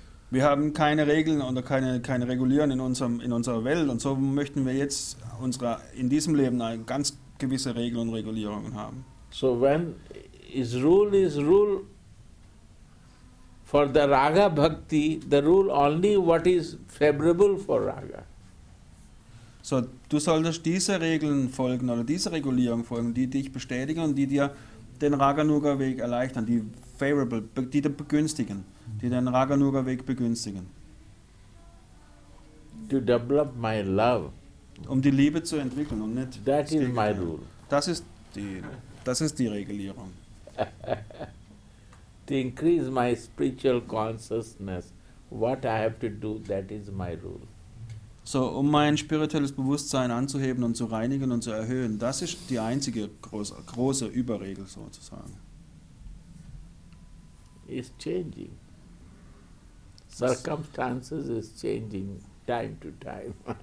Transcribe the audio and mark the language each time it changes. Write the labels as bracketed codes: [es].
[de] Wir haben keine Regeln oder keine Regulierungen in unserer Welt und so möchten wir jetzt in diesem Leben eine ganz gewisse Regeln und Regulierungen haben. [en] So when is rule for the Raga Bhakti, the rule only what is favorable for Raga. [de] So du solltest diese Regeln folgen oder diese Regulierung folgen, die dich bestätigen und die dir den Raganuga-Weg erleichtern, die favorable, die den begünstigen, die den Raganuga-Weg begünstigen. [en] To develop my love. [de] Um die Liebe zu entwickeln und nicht. [en] That is my rule. [de] Das ist die Regulierung. [en] To increase my spiritual consciousness, what I have to do, that is my rule. [de] So, um mein spirituelles Bewusstsein anzuheben und zu reinigen und zu erhöhen, das ist die einzige große Überregel sozusagen. [en] It's changing. Circumstances is changing time to time.